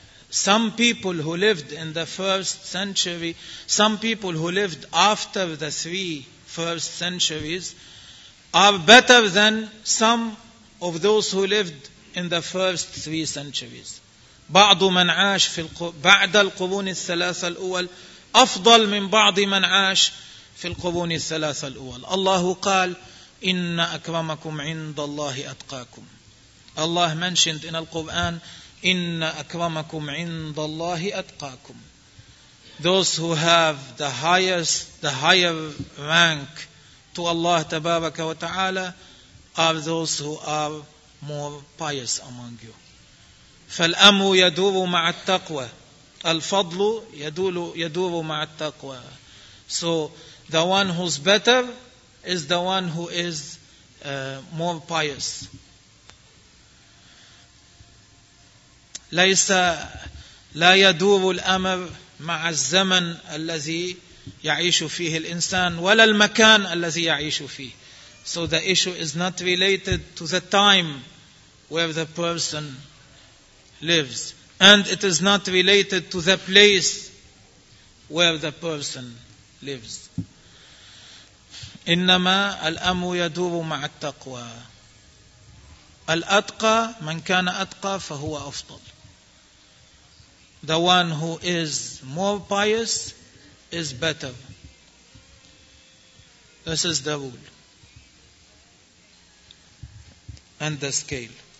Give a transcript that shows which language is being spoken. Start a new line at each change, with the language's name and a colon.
English: Some people who lived in the first century, some people who lived after the three first centuries, are better than some of those who lived in the first three centuries.
Arabic: بعض من عاش في بعد القرون الثلاثة الأول أفضل من بعض من عاش في القرون الثلاثة الأول. الله قال إن أكرمكم عند الله أتقاكم.
English: Allah mentioned in Al-Quran,
Arabic: إِنَّ أَكْرَمَكُمْ عِنْدَ اللَّهِ أَتْقَاكُمْ.
English: Those who have the higher rank to Allah tabaraka wa ta'ala are those who are more pious among you.
Arabic: فَالْأَمْرُ يَدُورُ مَعَ التَّقْوَى. الْفَضْلُ يَدُورُ مَعَ التَّقْوَى.
English: So the one who's better is the one who is more pious.
Arabic: ليس لا يدور الأمر مع الزمن الذي يعيش فيه الإنسان ولا المكان الذي يعيش فيه.
English: So the issue is not related to the time where the person lives, and it is not related to the place where the person lives.
Arabic: إنما الأمر يدور مع التقوى. الأتقى من كان أتقى فهو أفضل.
English: The one who is more pious is better. This is the rule and the scale.